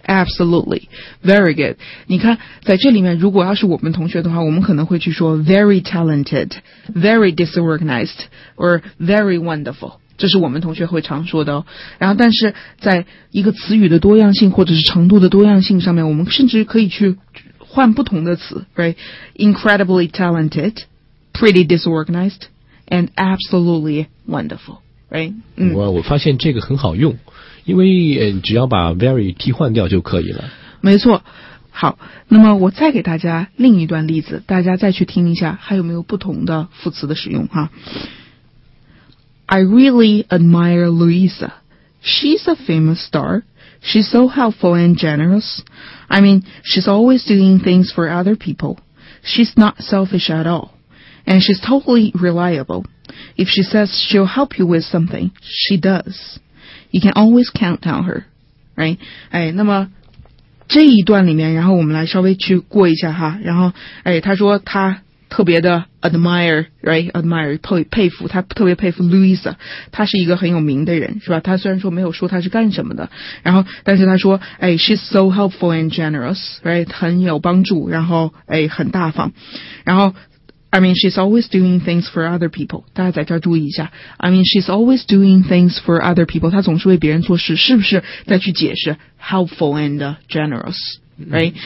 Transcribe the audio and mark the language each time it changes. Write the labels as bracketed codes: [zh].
[en] absolutely， very good。 [zh] 你看，在这里面，如果要是我们同学的话，我们可能会去说 [en] very talented， very disorganized， or very wonderful。 [zh] 这是我们同学会常说的、哦、然后但是在一个词语的多样性或者是程度的多样性上面，我们甚至可以去换不同的词 right? [en] Incredibly talented, pretty disorganized, and absolutely wonderful, right?、 [zh] 嗯、我发现这个很好用，因为只要把 very 替换掉就可以了。没错。好，那么我再给大家另一段例子，大家再去听一下还有没有不同的副词的使用哈。 [en] I really admire Louisa. She's a famous star. She's so helpful and generous. I mean, she's always doing things for other people. She's not selfish at all. And she's totally reliable. If she says she'll help you with something, she does. You can always count on her. Right? [zh] 哎，那么这一段里面，然后我们来稍微去过一下哈。然后，哎，他说他特别的 admire， right， admire， 佩服，他特别佩服 Louisa， 他是一个很有名的人，是吧？他虽然说没有说他是干什么的，然后但是他说，哎， [en] she's so helpful and generous， [zh] right， 很有帮助，然后哎，很大方，然后 [en] I mean she's always doing things for other people， [zh] 大家在这儿注意一下， I mean she's always doing things for other people， 他总是为别人做事，是不是再去解释 helpful and generous？ Right?